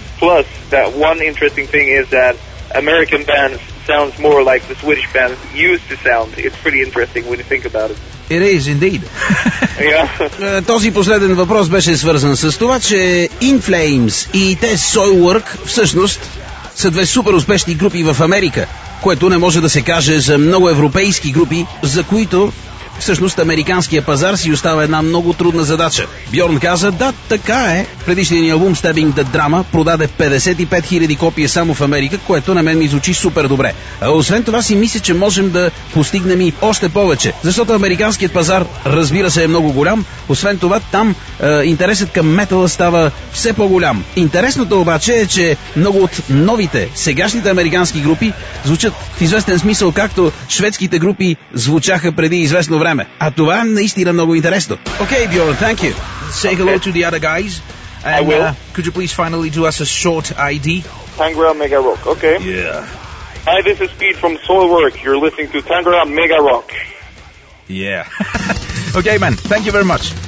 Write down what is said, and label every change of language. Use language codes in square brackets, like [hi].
[en] Plus, that one interesting thing is that American bands sounds more like the Swedish bands used to sound. It's pretty interesting when you think about it. It is indeed. Yeah. [bg] Този последен въпрос беше свързан с това, че In Flames и The Soilwork всъщност са две супер успешни групи в Америка, което не може да се каже за много европейски групи, за които всъщност американския пазар си остава една много трудна задача. Бьорн каза, да, така е. Предишният ни албум Stabbing the Drama продаде 55 000 копия само в Америка, което на мен ми звучи супер добре. А освен това си мисля, че можем да постигнем и още повече, защото американският пазар, разбира се, е много голям. Освен това, там интересът към метала става все по-голям. Интересното обаче е, че много от новите, сегашните американски групи звучат в известен смисъл, както шведските групи звучаха преди известно време. А това наистина много интересно. [en] Okay, Bjorn, thank you. Say okay. Hello to the other guys. And, I will. Could you please finally do us a short ID? Tangra Mega Rock, okay. Yeah. Hi, this is Pete from Soilwork. You're listening to Tangra Mega Rock. Yeah. Okay, man. Thank you very much.